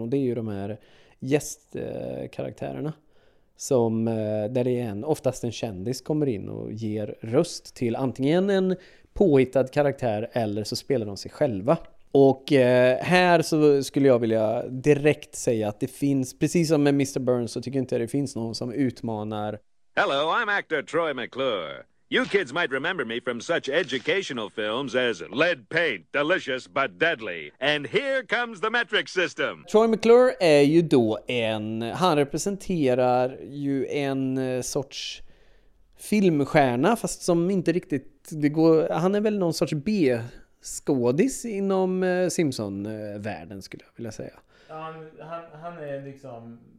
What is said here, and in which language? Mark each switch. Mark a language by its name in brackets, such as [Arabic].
[Swedish] Och det är ju de här gästkaraktärerna. Som där det är oftast en kändis kommer in och ger röst till antingen en påhittad karaktär, eller så spelar de sig själva. Och här så skulle jag vilja direkt säga att det finns, precis som med Mr. Burns, så tycker inte det finns någon som utmanar. [English] Hello, I'm actor Troy McClure. You kids might remember me from such educational films as Lead Paint, Delicious but Deadly. And here comes the metric system. [Swedish] Troy McClure är ju då en... Han representerar ju en sorts filmstjärna, fast som inte riktigt... Det går, han är väl någon sorts B-skådis inom Simpson-världen, skulle jag vilja säga. Han är liksom...